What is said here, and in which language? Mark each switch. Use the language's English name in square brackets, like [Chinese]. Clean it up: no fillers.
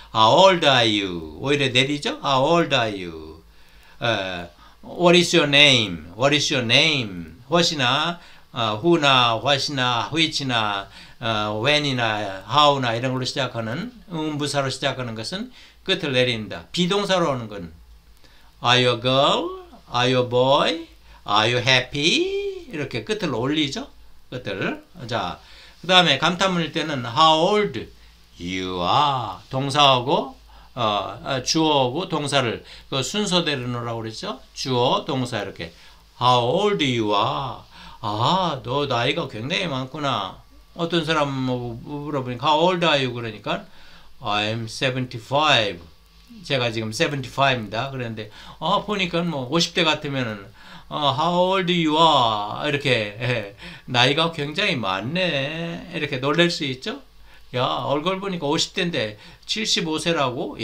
[English] How old are you? [Korean] 오히려 내리죠? [English] How old are you? What is your name? What is your name? [Korean] What이나, who나, what이나, which이나, when이나, how나 이런 걸로 시작하는 의문부사로 시작하는 것은 끝을 내린다. 비동사로 하는 건 [English] Are you a girl? Are you a boy? Are you happy? [Korean] 이렇게 끝을 올리죠. 끝을. 자, 그 다음에 감탄문일 때는 [English] How old you are? [Korean] 동사하고 주어하고 동사를 그 순서대로 넣으라고 그랬죠. 주어, 동사 이렇게 [English] How old you are? [Korean] 아, 너 나이가 굉장히 많구나. 어떤 사람 물어보니까 [English] How old are you? [Korean] 그러니까 [English] I'm 75. [Korean] 제가 지금 75입니다. 그런데 보니까 뭐 50대 같으면 [English] How old you are? [Korean] 이렇게 나이가 굉장히 많네. 이렇게 놀랄 수 있죠? 야 얼굴 보니까 50대인데 75세라고?